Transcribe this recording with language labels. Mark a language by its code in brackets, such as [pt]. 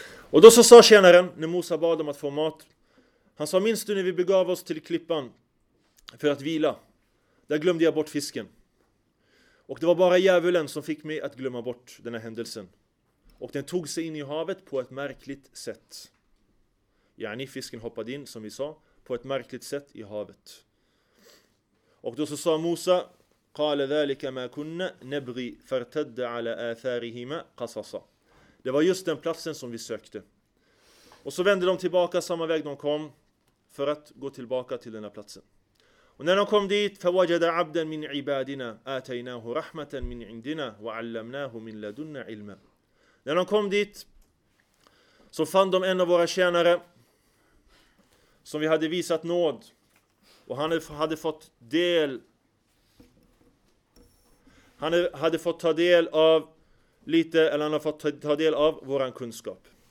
[sv] Och då så sa tjänaren, när Musa bad om att få mat, han sa: minns du när vi begav oss till klippan för att vila? Där glömde jag bort fisken. Och det var bara djävulen som fick mig att glömma bort den här händelsen. Och den tog sig in i havet på ett märkligt sätt. Yani, fisken hoppade in, som vi sa, på ett märkligt sätt i havet. Och då så sa Musa: [ar] قَالَ ذَلِكَ مَا كُنَّ نَبْغِي فَرْتَدَّ عَلَى آثَارِهِمَ قَصَصًا. [sv] Det var just den platsen som vi sökte. Och så vände de tillbaka samma väg de kom för att gå tillbaka till den här platsen. Och när de kom dit: [ar] فَوَجَدَ عَبْدًا مِنْ عِبَادِنَا آتَيْنَاهُ رَحْمَةً مِنْ عِنْدِنَا وَعَلَّمْنَاهُ مِنْ لَدُنَّ عِلْمًا. [sv] När de kom dit så fann de en av våra tjänare som vi hade visat nåd. Och han hade fått del. Han hade fått ta del av lite, eller han har fått ta del av våran kunskap.